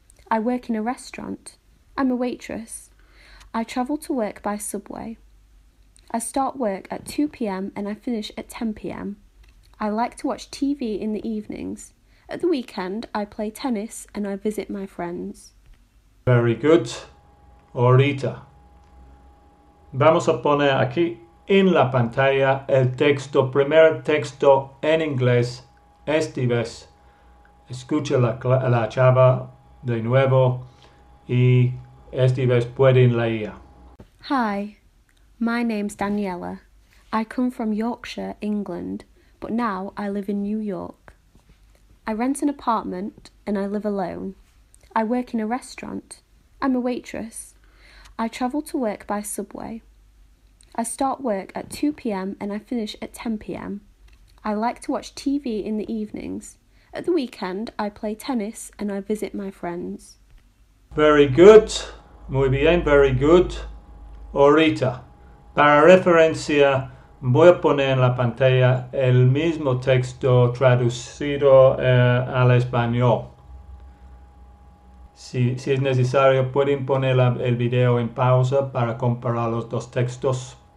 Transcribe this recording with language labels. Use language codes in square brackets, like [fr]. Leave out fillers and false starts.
[en] I work in a restaurant. I'm a waitress. I travel to work by subway. I start work at 2 p.m. and I finish at 10 p.m. I like to watch TV in the evenings. At the weekend, I play tennis and I visit my friends. Very good. [es] Ahorita. Vamos a poner aquí en la pantalla el texto, primer texto en inglés, esta vez. Escucha la chava de nuevo Y esta vez pueden leer. [en] Hi, my name's Daniela. I come from Yorkshire, England, but now I live in New York. I rent an apartment and I live alone. I work in a restaurant. I'm a waitress. I travel to work by subway. I start work at 2 p.m. and I finish at 10 p.m. I like to watch TV in the evenings. At the weekend, I play tennis and I visit my friends. Very good, [es] muy bien, [en] very good. [es] Ahorita, para referencia, voy a poner en la pantalla el mismo texto traducido al español. Si es necesario, pueden poner el video en pausa para comparar los dos textos.